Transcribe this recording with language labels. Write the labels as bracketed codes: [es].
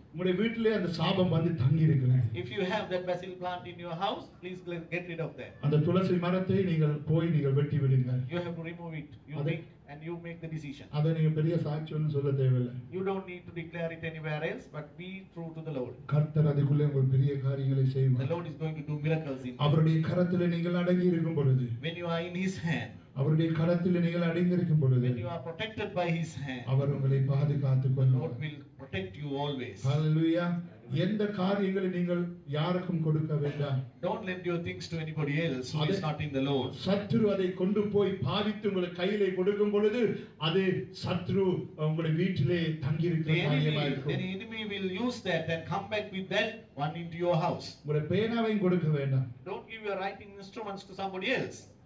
[ta] உங்களுடைய வீட்டிலே அந்த சாபம் வந்து தங்கி இருக்கிறது. [en] If you have that basil plant in your house, please get rid of that. [ta] அந்த துளசி மரத்தை நீங்கள் போய் நீங்கள் வெட்டி விடுங்க. [en] You have to remove it. You think and you make the decision. [ta] அதை நீங்க பெரிய சாட்சியன்னு சொல்ல தேவையில்லை. [en] You don't need to declare it anywhere else, but be true to the Lord. [ta] கர்த்தர் அதுக்குள்ளே ஒரு பெரிய காரியங்களை செய்வார். [en] The Lord is going to do miracles in. [ta] அவருடைய கரத்திலே நீங்கள் அடங்கி இருக்கும் பொழுது. [en] When you are in his hand. [ta] அவருடைய கரத்தில் நீங்கள் அடைந்திருக்கும் பொழுது [en] you are protected by his hand. [ta] அவர் உங்களை பாதுகாத்துக் கொள்வார். [en] God will protect you always. Hallelujah. [ta] எந்த காரியங்களை நீங்கள் யாருக்கும் கொடுக்க வேண்டாம். [en] Don't lend your things to anybody else who is not in the Lord. [ta] சத்துரு அதை கொண்டு போய் பாவித்து உங்களுக்கு கையிலே கொடுக்கும் பொழுது அது சத்ரு உங்களுடைய வீட்டிலே தங்கியிருக்கிற காரியமாயிருக்கும். [en] The enemy will use that and come back with that one into your house. [ta] உங்களுடைய பேனாவையும் கொடுக்க வேண்டாம். [en] Don't give your writing instruments to somebody else.